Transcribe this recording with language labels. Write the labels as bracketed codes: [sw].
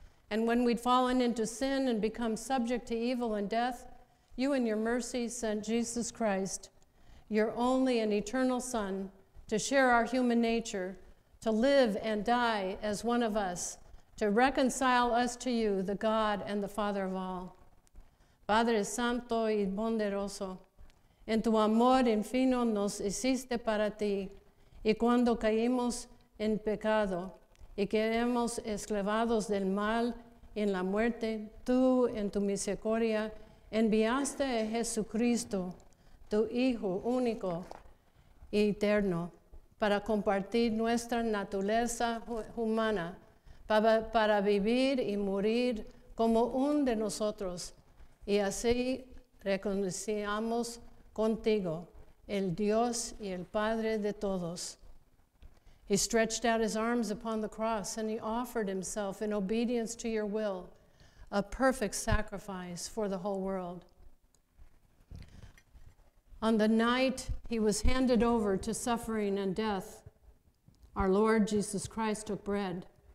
[en] And when we'd fallen into sin and become subject to evil and death, you in your mercy sent Jesus Christ, your only and eternal Son, to share our human nature, to live and die as one of us, to reconcile us to you, the God and the Father of all. [es] Padre Santo y Bondadoso, en tu amor infinito nos hiciste para ti, y cuando caímos en pecado y quedamos esclavados del mal y en la muerte, tú en tu misericordia enviaste a Jesucristo, tu Hijo único y eterno, para compartir nuestra naturaleza humana, para vivir y morir como un de nosotros, y así reconciliamos contigo, el Dios y el Padre de todos. [en] He stretched out his arms upon the cross and he offered himself in obedience to your will, a perfect sacrifice for the whole world. On the night he was handed over to suffering and death, our Lord Jesus Christ took bread.